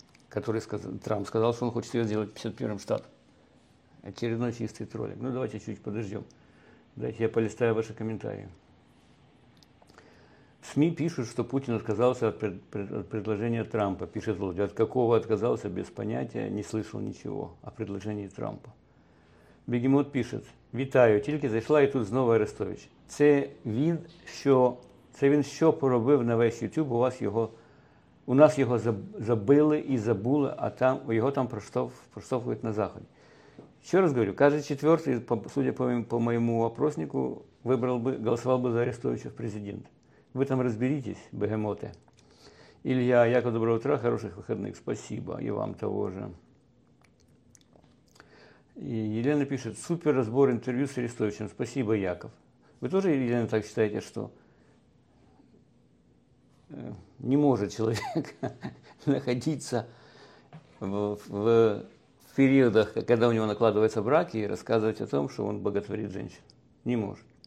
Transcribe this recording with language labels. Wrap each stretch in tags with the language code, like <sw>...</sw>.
<ru>Который сказал, Трамп сказал, что он хочет ее сделать 51-м штатом. Очередной чистый троллинг. Ну, давайте чуть подождем. Давайте я полистаю ваши комментарии. СМИ пишут, что Путин отказался от предложения Трампа. Пишет Владимир. От какого отказался, без понятия, не слышал ничего о предложении Трампа. Бегемот пишет.</ru> <uk>Вітаю, тільки зайшла і тут знову Арестович. Це він що поробив на весь YouTube, у нас його забили і забули, а там його там проштовхують на заході. Ще раз говорю, каже четвертий,</uk> <ru>судя по</ru> <uk>моєму опроснику, голосував би за Арестовича в президент. Ви там розберітесь, бегемоте. Ілля, яко</uk> <ru>доброго утра,</ru> <uk>хороших вихідних,</uk> <ru>спасибо,</ru> <uk>і вам</uk> <ru>того же. И Елена пишет, супер разбор интервью с Арестовичем. Спасибо, Яков. Вы тоже, Елена, так считаете, что не может человек находиться в периодах, когда у него накладываются браки, и рассказывать о том, что он боготворит женщин? Не может.</ru>